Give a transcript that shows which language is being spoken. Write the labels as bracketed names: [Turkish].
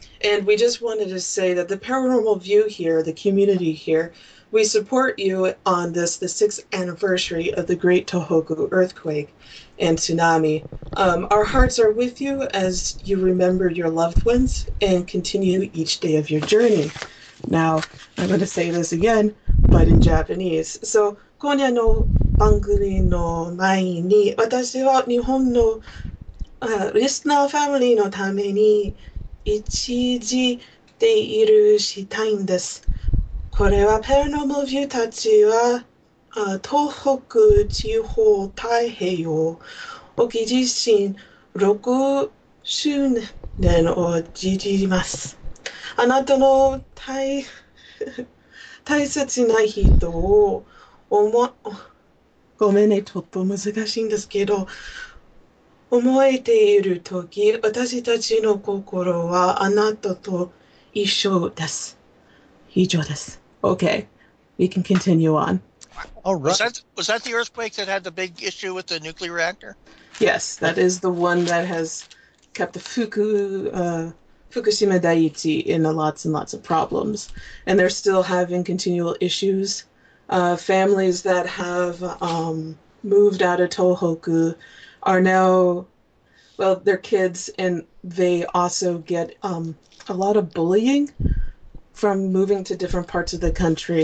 [English] And we just wanted to say that the Paranormal View here, the community here, we support you on this, the 6th anniversary of the Great Tohoku Earthquake and Tsunami. Our hearts are with you as you remember your loved ones and continue each day of your journey. Now, I'm going to say this again, but in Japanese. [Japanese] So, 今夜の番組の前に、私は日本のリスナーファミリーのために一時でいるしたいんです。これはパラノーマルビューたちは東北地方太平洋沖地震6周年を祝います。あなたの 大切な人を思うごめんね、ちょっと難しいんですけど、思えているとき、私たちの心はあなたと一緒です。以上です。 [English] Okay, we can continue on. All right. Was that the earthquake that had the big issue with the nuclear reactor? Yes, that is the one that has kept the Fukushima Daiichi in lots and lots of problems. And they're still having continual issues. Families that have moved out of Tohoku are now, well, their kids, and they also get a lot of bullying from moving to different parts of the country.